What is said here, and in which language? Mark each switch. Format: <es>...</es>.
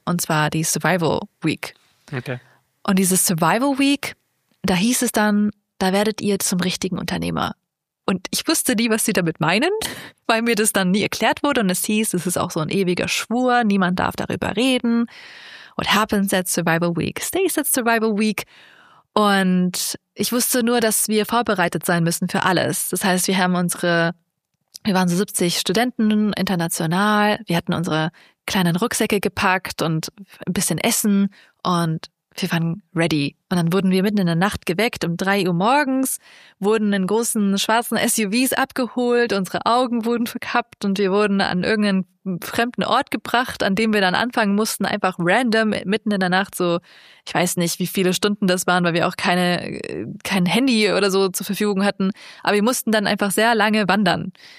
<de>Und zwar die Survival Week. Okay. Und diese Survival Week, da hieß es dann, da werdet ihr zum richtigen Unternehmer. Und ich wusste nie, was sie damit meinen, weil mir das dann nie erklärt wurde. Und es hieß, es ist auch so ein ewiger Schwur, niemand darf darüber reden.</de> <en>What happens at Survival Week stays at Survival Week.</en> <de>Und ich wusste nur, dass wir vorbereitet sein müssen für alles. Das heißt, wir haben wir waren so 70 Studenten international. Wir hatten unsere kleinen Rucksäcke gepackt und ein bisschen Essen und wir waren ready. Und dann wurden wir mitten in der Nacht geweckt um 3 Uhr morgens, wurden in großen schwarzen SUVs abgeholt, unsere Augen wurden verkappt und wir wurden an irgendeinen fremden Ort gebracht, an dem wir dann anfangen mussten, einfach random mitten in der Nacht, so, ich weiß nicht, wie viele Stunden das waren, weil wir auch kein Handy oder so zur Verfügung hatten, aber wir mussten dann einfach sehr lange wandern.</de>